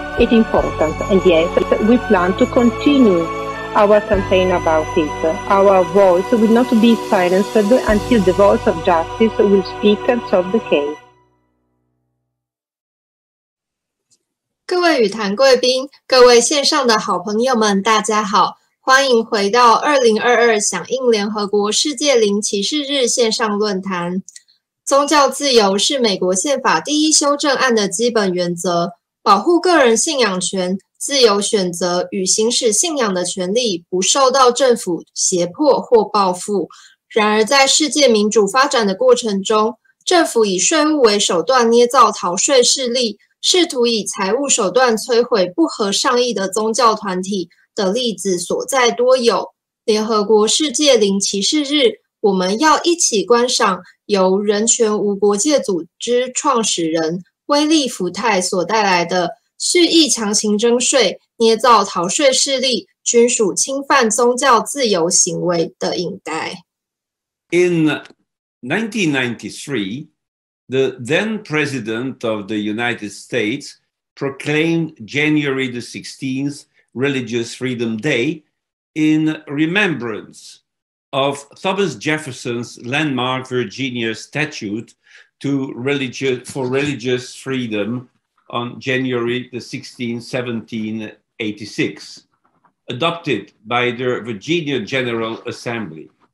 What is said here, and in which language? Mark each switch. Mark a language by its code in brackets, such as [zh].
[en] It's important, and yes, we plan to continue our campaign about it. Our voice will not be silenced until the voice of justice will speak and solve the case. [zh] 各位语坛贵宾，各位线上的好朋友们，大家好，欢迎回到2022响应联合国世界零歧视日线上论坛。宗教自由是美国宪法第一修正案的基本原则，保护个人信仰权，自由选择与行使信仰的权利，不受到政府胁迫或报复。然而在世界民主发展的过程中，政府以税务为手段捏造逃税势力，试图以财务手段摧毁不合上意的宗教团体的例子所在多有。联合国世界零歧视日，我们要一起观赏由人权无国界组织创始人威利福泰所带来的蓄意强行征税、捏造逃税势力、均属侵犯宗教自由行为的影带。 [en] In 1993, the then President of the United States proclaimed January the 16th Religious Freedom Day in remembrance of Thomas Jefferson's landmark Virginia statute for religious freedom on January the 16th, 1786, adopted by the Virginia General Assembly.